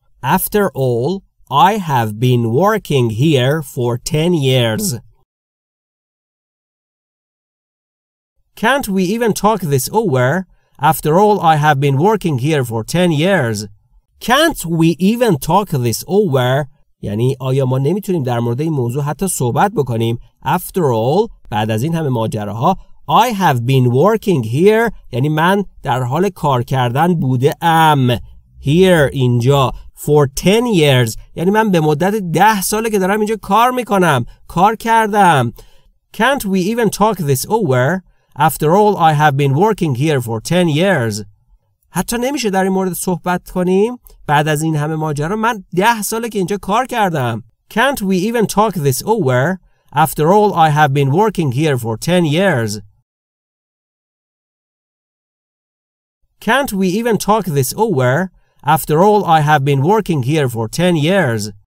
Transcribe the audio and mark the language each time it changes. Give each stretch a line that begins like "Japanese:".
English: After all, I have been working here for 10 years. Can't we even talk this over? After all, I have been working here for 10 years. Can't we even talk this over؟
Persian: یعنی آیا ما نمیتونیم در مورد این موضوع حتی صحبت بکنیم؟
English: After all،
Persian: بعد از این همه ماجراها،
English: I have been working here،
Persian: یعنی من در حال کار کردن بوده ام. Here، اینجا. For 10 years، یعنی من به مدت 10 ساله که دارم اینجا کار میکنم. کار کردم.
English: Can't we even talk this over؟ After all، I have been working here for 10 years.
Persian: حتی نمیشه در این مورد صحبت کنیم؟ بعد از این همه ماجرا من 10 ساله که اینجا کار کردم.
English: Can't we even talk this over? After all, I have been working here for 10 years. Can't we even talk this over? After all, I have been working here for 10 years.